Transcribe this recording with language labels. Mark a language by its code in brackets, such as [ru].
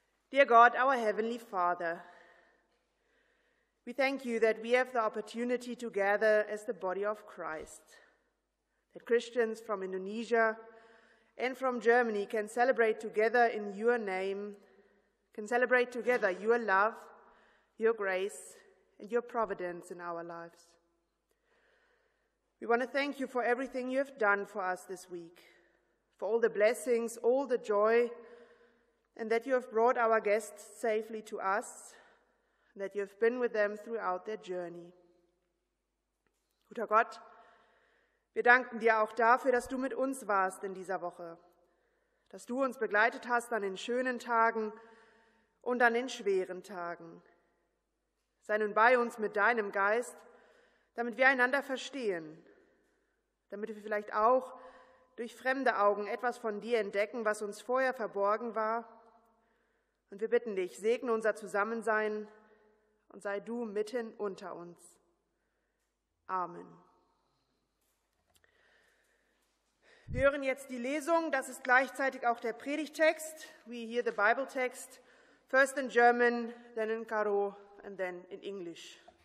[en] Dear God, our Heavenly Father, we thank you that we have the opportunity to gather as the body of Christ, that Christians from Indonesia and from Germany can celebrate together in your name, can celebrate together your love, your grace, and your providence in our lives. We want to thank you for everything you have done for us this week, for all the blessings, all the joy, and that you have brought our guests safely to us, and that you have been with them throughout their journey. [de] Guter Gott, wir danken dir auch dafür, dass du mit uns warst in dieser Woche, dass du uns begleitet hast an den schönen Tagen und an den schweren Tagen. Sei nun bei uns mit deinem Geist, damit wir einander verstehen, damit wir vielleicht auch durch fremde Augen etwas von dir entdecken, was uns vorher verborgen war. Und wir bitten dich, segne unser Zusammensein und sei du mitten unter uns. Amen. Wir hören jetzt die Lesung, das ist gleichzeitig auch der Predigttext. [en] We hear the Bible text, first in German, then in Karo and then in English.